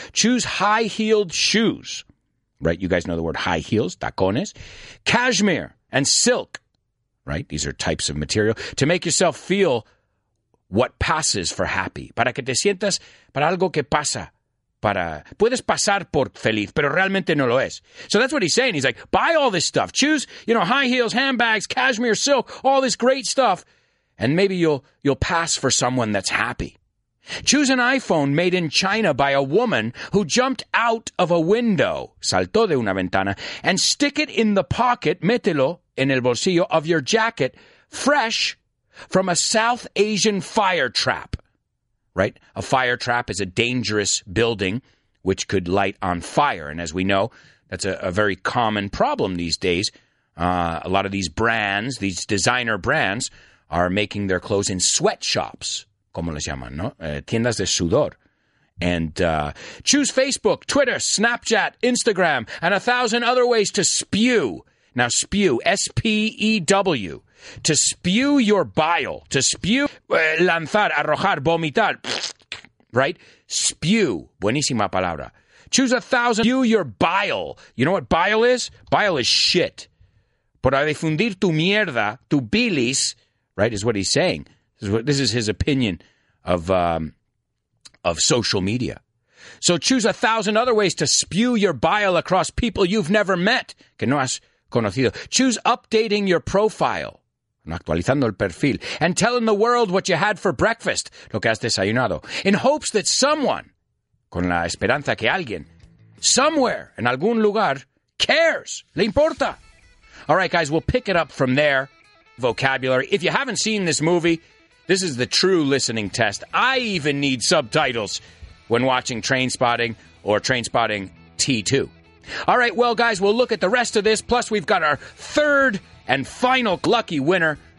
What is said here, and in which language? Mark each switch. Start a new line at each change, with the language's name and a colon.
English: Choose high-heeled shoes, right? You guys know the word high heels, tacones. Cashmere and silk, right? These are types of material to make yourself feel what passes for happy.
Spanish: Para que te sientas para algo que pasa. Para puedes pasar por feliz, pero realmente no lo es.
English: So that's what he's saying. He's like, buy all this stuff. Choose, you know, high heels, handbags, cashmere, silk, all this great stuff. And maybe you'll pass for someone that's happy. Choose an iPhone made in China by a woman who jumped out of a window.
Spanish: Saltó de una ventana.
English: And stick it in the pocket,
Spanish: mételo en el bolsillo
English: of your jacket, fresh from a South Asian fire trap, right? A fire trap is a dangerous building which could light on fire. And as we know, that's a very common problem these days. A lot of these brands, these designer brands, are making their clothes in sweatshops.
Spanish: ¿Cómo les llaman, no? Tiendas de sudor.
English: And choose Facebook, Twitter, Snapchat, Instagram, and 1,000 other ways to spew. Now, spew, S-P-E-W. To spew your bile, to spew,
Spanish: lanzar, arrojar, vomitar,
English: right?
Spanish: Spew, buenísima palabra.
English: Choose 1,000, spew your bile. You know what bile is? Bile is shit.
Spanish: Para difundir tu mierda, tu bilis,
English: right, is what he's saying. This is his opinion of social media. So choose 1,000 other ways to spew your bile across people you've never met.
Spanish: Que no has conocido.
English: Choose updating your profile.
Spanish: Actualizando el perfil.
English: And telling the world what you had for breakfast.
Spanish: Lo que has desayunado.
English: In hopes that someone,
Spanish: con la esperanza que alguien,
English: somewhere,
Spanish: en algún lugar,
English: cares.
Spanish: Le importa.
English: All right, guys, we'll pick it up from there. Vocabulary. If you haven't seen this movie, this is the true listening test. I even need subtitles when watching Trainspotting or Trainspotting T2. All right, well, guys, we'll look at the rest of this. Plus, we've got our third and final lucky winner.